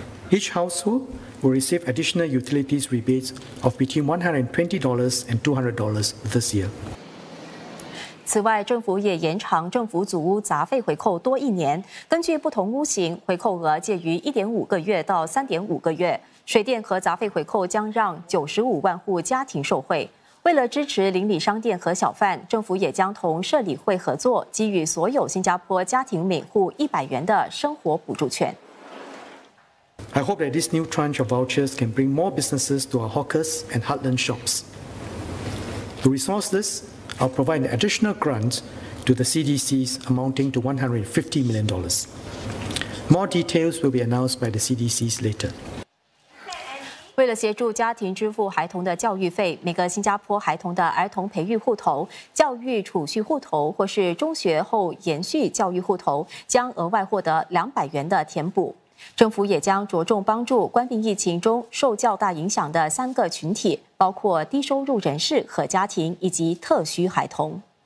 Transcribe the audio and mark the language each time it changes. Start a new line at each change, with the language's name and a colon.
English: Each household will receive additional utilities rebates of between $120 and $200 this year.
Chinese: 此外，政府也延长政府组屋杂费回扣多一年，根据不同屋型，回扣额介于1.5个月到3.5个月。水电和杂费回扣将让95万户家庭受惠。为了支持邻里商店和小贩，政府也将同社理会合作，给予所有新加坡家庭每户100元的生活补助券。
English: I hope that this new tranche of vouchers can bring more businesses to our hawkers and heartland shops. To resource this, I'll provide an additional grant to the CDCs amounting to $150 million. More details will be announced by the CDCs later.
Chinese: 为了协助家庭支付孩童的教育费，每个新加坡孩童的儿童培育户头、教育储蓄户头或是中学后延续教育户头将额外获得200元的填补。政府也将着重帮助冠病疫情中受较大影响的3个群体，包括低收入人士和家庭以及特需孩童。